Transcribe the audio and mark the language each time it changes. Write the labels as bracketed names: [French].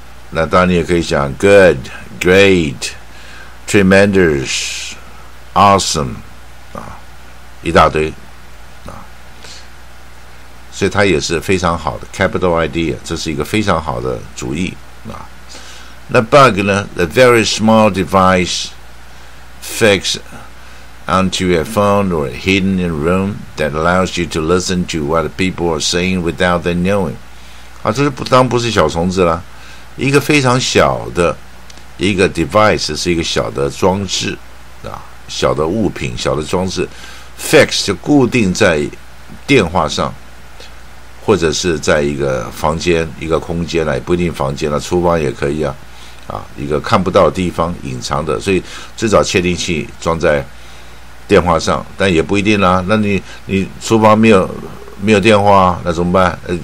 [Chinese] 那当然你也可以讲 good、great。Tremendous, awesome, 啊，一大堆，啊，所以它也是非常好的 capital idea， 这是一个非常好的主意，啊。那 bug 呢 [English] ？The very small device fixed onto a phone or hidden in a room that allows you to listen to what people are saying without them knowing， [Chinese] 啊，这是当然不是小虫子啦，一个非常小的。一个 device 是一个小的装置啊，小的物品、小的装置 ，fix 就固定在电话上，或者是在一个房间、一个空间啊，也不一定房间了，厨房也可以啊，啊，一个看不到的地方隐藏的，所以最早窃听器装在电话上，但也不一定啦。那你厨房没有电话，那怎么办？